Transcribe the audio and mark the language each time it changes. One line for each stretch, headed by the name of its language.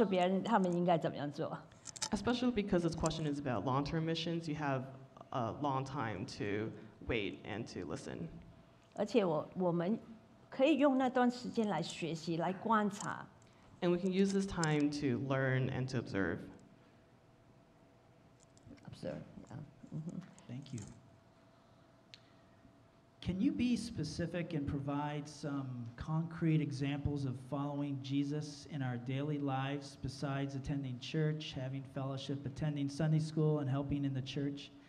Chinese: 特别问题说长宣，如果要长期在那边，我有很多时间，不需要一下飞机就告诉别人他们应该怎么样做。
English: Especially because this question is about long-term missions, you have a long time to wait and to listen.
Chinese: 而且我们可以用那段时间来学习，来观察。
English: And we can use this time to learn and to observe. Observe, yeah. Mm-hmm. Thank you. Can you be specific and provide some concrete examples of following Jesus in our daily lives besides attending church, having fellowship, attending Sunday school, and helping in the church?